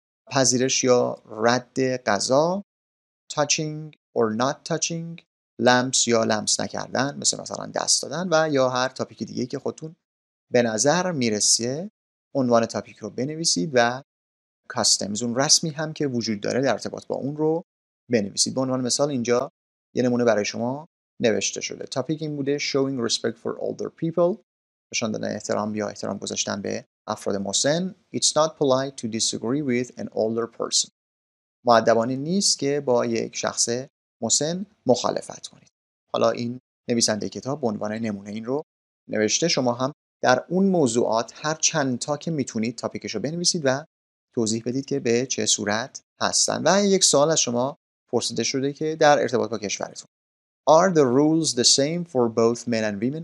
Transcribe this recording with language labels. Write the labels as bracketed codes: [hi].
[fa] پذیرش یا رد غذا، touching or not touching، لمس یا لمس نکردن، مثلا دست دادن و یا هر تاپیک دیگه که خودتون به نظر میرسه، عنوان تاپیک رو بنویسید و کاستمز، اون رسمی هم که وجود داره در ارتباط با اون رو بنویسید. به عنوان مثال اینجا یه نمونه برای شما نوشته شده. تاپیک این بوده [en] showing respect for older people، [fa] نشان دادن احترام یا احترام گذاشتن به افراد مسن. [en] It's not polite to disagree with an older person. [fa] مؤدبانه نیست که با یک شخص مسن مخالفت کنید. حالا این نویسنده کتاب به عنوان نمونه این رو نوشته. شما هم در اون موضوعات هر چند تا که میتونید تاپیکش رو بنویسید و توضیح بدید که به چه صورت هستن. و یک سوال از شما پرسیده شده که در ارتباط با کشورتون. [en] Are the rules the same for both men and women?